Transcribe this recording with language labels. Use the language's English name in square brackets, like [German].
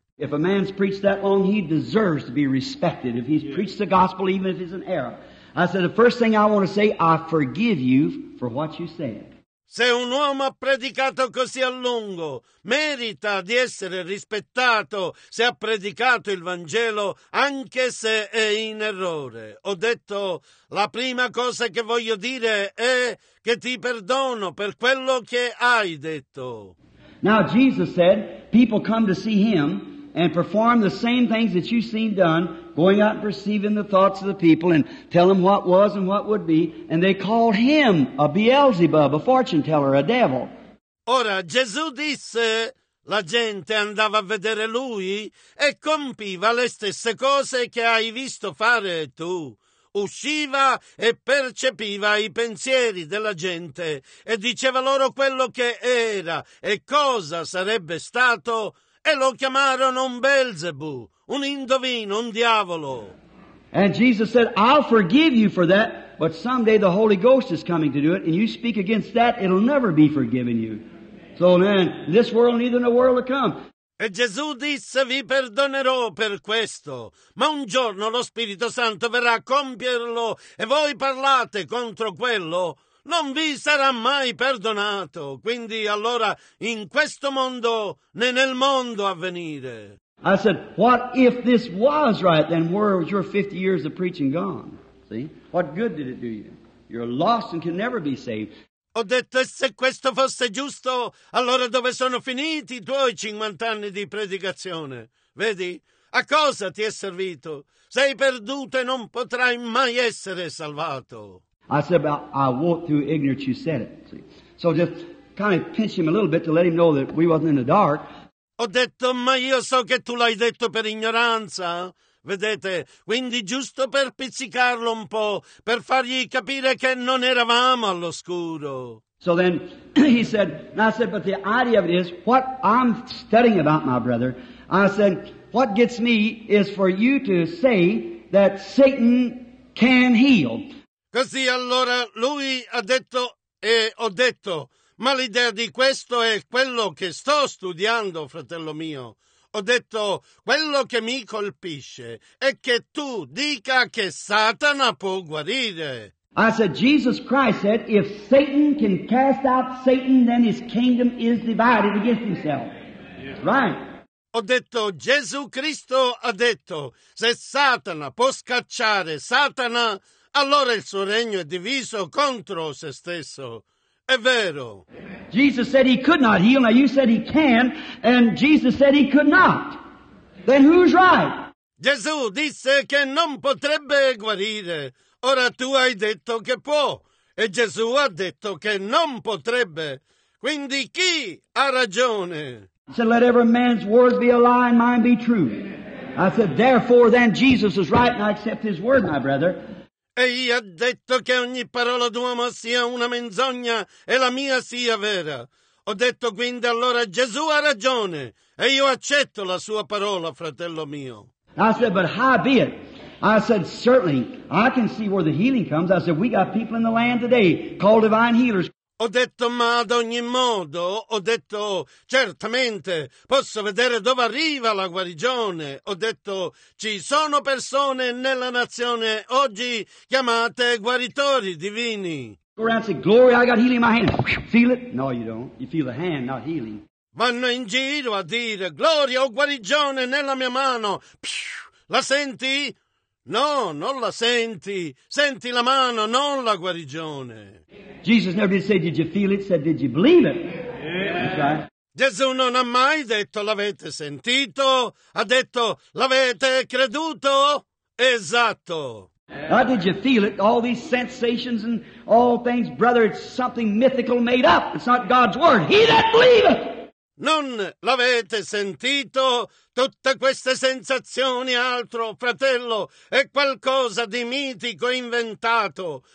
[English] If a man's preached that long, he deserves to be respected. If he's preached the gospel, even if it's an error. I said, the first thing I want to say, I forgive you for what you said. [Italian] Se un uomo ha predicato così a lungo, merita di essere rispettato se ha predicato il Vangelo, anche se è in errore. Ho detto, la prima cosa che voglio dire è che ti perdono per quello che hai detto. [English] Now Jesus said, people come to see him and perform the same things that you've seen done, going out and perceiving the thoughts of the people and tell them what was and what would be, and they called him a Beelzebub, a fortune teller, a devil. [Italian] Ora, Gesù disse, la gente andava a vedere lui e compiva le stesse cose che hai visto fare tu. Usciva e percepiva i pensieri della gente e diceva loro quello che era e cosa sarebbe stato, e lo chiamarono un Beelzebù, un indovino, un diavolo. [English] And Jesus said, I'll forgive you for that, but someday the Holy Ghost is coming to do it, and you speak against that, it'll never be forgiven you. So then, this world neither in the world to come. [Italian] E Gesù disse, vi perdonerò per questo, ma un giorno lo Spirito Santo verrà a compierlo e voi parlate contro quello, non vi sarà mai perdonato. Quindi allora in questo mondo né nel mondo a venire. [English] I said, what if this was right, then where was your 50 years of preaching gone? See, what good did it do you? You're lost and can never be saved. [Italian] Ho detto, e se questo fosse giusto, allora dove sono finiti i tuoi 50 anni di predicazione? Vedi, a cosa ti è servito? Sei perduto e non potrai mai essere salvato. [English] I said, I walked through ignorance, you said it. See? So just kind of pinch him a little bit to let him know that we wasn't in the dark. [Italian] Ho detto, ma io so che tu l'hai detto per ignoranza. Vedete, quindi giusto per pizzicarlo un po', per fargli capire che non eravamo all'oscuro. [English] So then he said, and I said, but the idea of it is, what I'm studying about, my brother, I said, what gets me is for you to say that Satan can heal. [Italian] Così allora lui ha detto, e ho detto, ma l'idea di questo è quello che sto studiando, fratello mio. Ho detto, quello che mi colpisce è che tu dica che Satana può guarire. [English] I said, Jesus Christ said, if Satan can cast out Satan, then his kingdom is divided against himself. Yeah. Right. [Italian] Ho detto, Gesù Cristo ha detto, se Satana può scacciare Satana, allora il suo regno è diviso contro se stesso. È vero. [English] Jesus said he could not heal. Now you said he can, and Jesus said he could not. Then who's right? [Italian] Gesù disse che non potrebbe guarire. Ora tu hai detto che può, e Gesù ha detto che non potrebbe. Quindi chi ha ragione? [English] I said, let every man's words be a lie and mine be true. I said, therefore then Jesus is right, and I accept his word, my brother. [Italian] E io ho detto che ogni parola d'uomo sia una menzogna e la mia sia vera. Ho detto quindi allora Gesù ha ragione e io accetto la sua parola, fratello mio. [English] I said, but how be it? I said, certainly, I can see where the healing comes. I said, we got people in the land today called divine healers. [Italian] Ho detto, ma ad ogni modo, ho detto, certamente, posso vedere dove arriva la guarigione. Ho detto, ci sono persone nella nazione oggi chiamate guaritori divini. [English] Go around and say, glory, I got healing in my hand. Feel it? No, you don't. You feel the hand, not healing. [Italian] Vanno in giro a dire, gloria, ho guarigione nella mia mano. La senti? No, non la senti. Senti la mano, non la guarigione. [English] Jesus never did say, did you feel it? Said, did you believe it? Yeah. [Italian] Gesù non ha mai detto, l'avete sentito? Ha detto, l'avete creduto? Esatto. [English] Now, did you feel it? All these sensations and all things, brother, it's something mythical made up. It's not God's word. He that believeth. [Italian] Non l'avete sentito? Tutte queste sensazioni, altro, fratello, è qualcosa di mitico, inventato.